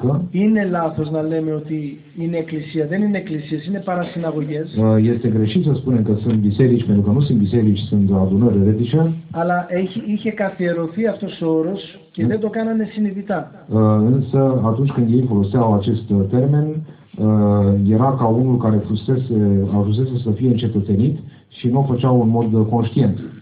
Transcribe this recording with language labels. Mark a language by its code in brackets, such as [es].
[el] Είναι λάθος να λέμε ότι είναι εκκλησία. Δεν είναι εκκλησίες, είναι παρασυναγωγές. [ro] Este greșit să spunem că sunt biserici, pentru că nu sunt biserici, sunt adunări eretice. [el] Αλλά είχε καθιερωθεί αυτός ο όρος και δεν το κάνανε συνειδητά. [ro] Însă atunci când ei foloseau acest termen, era ca unul care ajusese să fie încetățenit și nu o făceau în mod conștient.